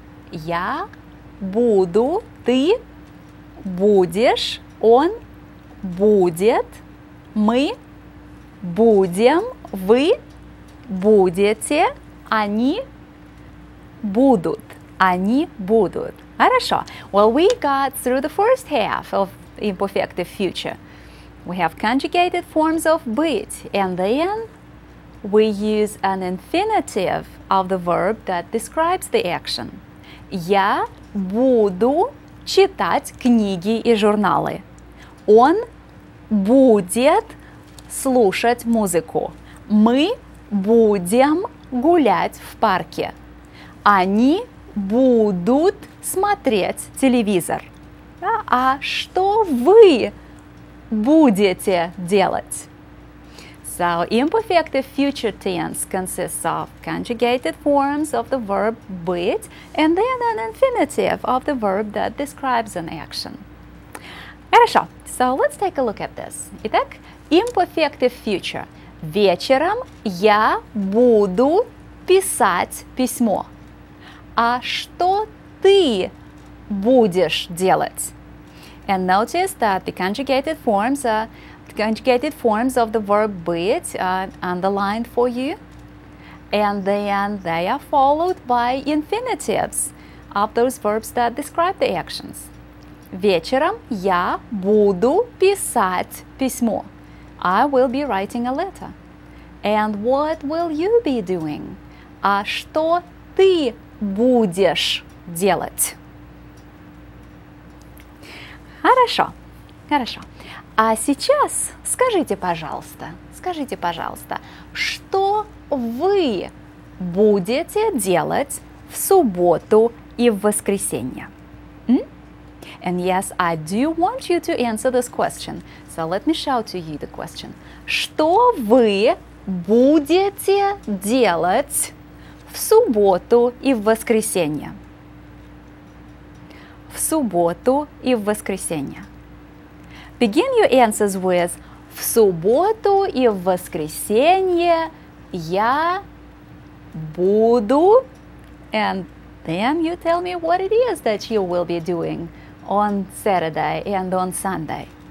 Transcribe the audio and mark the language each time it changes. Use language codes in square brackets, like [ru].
[ru] Я, буду, ты, будешь, он, будет, мы, будем, вы, будете, они, будут, они будут. Хорошо. [en] Well, we got through the first half of imperfective future. We have conjugated forms of быть, and then we use an infinitive of the verb that describes the action. [ru] Я буду читать книги и журналы. Он будет слушать музыку. Мы будем гулять в парке. Они будут смотреть телевизор. А что вы будете делать? [en] So, imperfective future tense consists of conjugated forms of the verb быть and then an infinitive of the verb that describes an action. Хорошо. So, let's take a look at this. Итак, imperfective future. [ru] Вечером я буду писать письмо. А что ты будешь делать? [en] And notice that the conjugated forms are conjugated forms of the verb быть are underlined for you. And then they are followed by infinitives of those verbs that describe the actions. [ru] Вечером я буду писать письмо. [en] I will be writing a letter. And what will you be doing? [ru] А что ты будешь делать? Хорошо, хорошо. А сейчас скажите, пожалуйста, что вы будете делать в субботу и в воскресенье? [en] And yes, I do want you to answer this question. So let me show to you the question. [ru] Что вы будете делать в субботу и в воскресенье? В субботу и в воскресенье. [en] Begin your answers with [ru] «В субботу и в воскресенье я буду…» [en] And then you tell me what it is that you will be doing on Saturday and on Sunday.